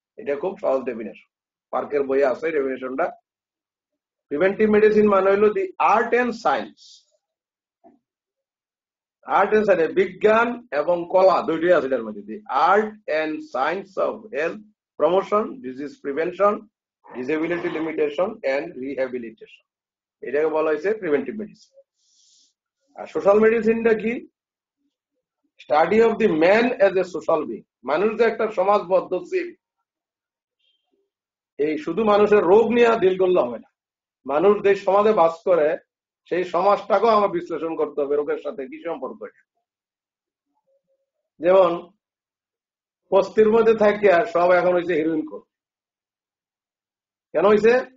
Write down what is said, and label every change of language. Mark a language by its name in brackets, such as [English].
[Bangla] এটা খুব সহজ ডেফিনেশন, পার্কের বইয়ে আছে ডেফিনেশনটা। প্রিভেন্টিভ মেডিসিন মানে হলো দি art and science, art and science বিজ্ঞান এবং কলা দুইটাই আছে এটার মধ্যে, দি art and science of health promotion, disease prevention, [English] disability limitation and rehabilitation. [Bangla] এটাকে বলা হয়েছে preventive medicine. আর social medicine টা কি? [English] Study of the man as a social being. [Bangla] মানুষ যে একটা সমাজবদ্ধ জীব, এই শুধু মানুষের রোগ নিয়ে ডিল করলে হবে না, মানুষ যে সমাজে বাস করে সেই সমাজটাকেও আমরা বিশ্লেষণ করতে হবে, রোগের সাথে কি সম্পর্ক আছে। যেমন বস্তির মধ্যে থাকি আর সব এখন হয়েছে হিরোইন কোর, কেন হয়েছে?